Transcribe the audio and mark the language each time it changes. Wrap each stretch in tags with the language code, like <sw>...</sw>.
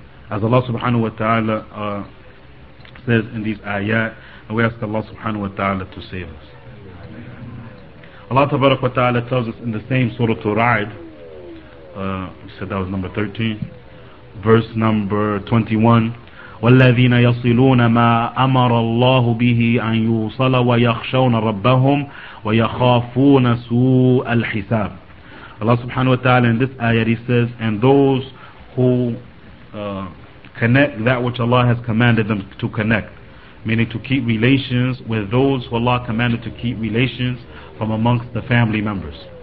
<en>As Allah subhanahu wa ta'ala says in these ayat, and we ask Allah subhanahu wa ta'ala to save us. Allah tabarak wa ta'ala tells us in the same Surah Al-Ra'd, we said that was number 13, verse number 21,</en> <ar>والذين يصلون ما أمر الله به أن يوصل ويخشون ربهم ويخافون سوء الحساب.</ar> <en>Allah subhanahu wa ta'ala in this ayah he says, and those who connect that which Allah has commanded them to connect, meaning to keep relations with those who Allah commanded to keep relations from amongst the family members.</en>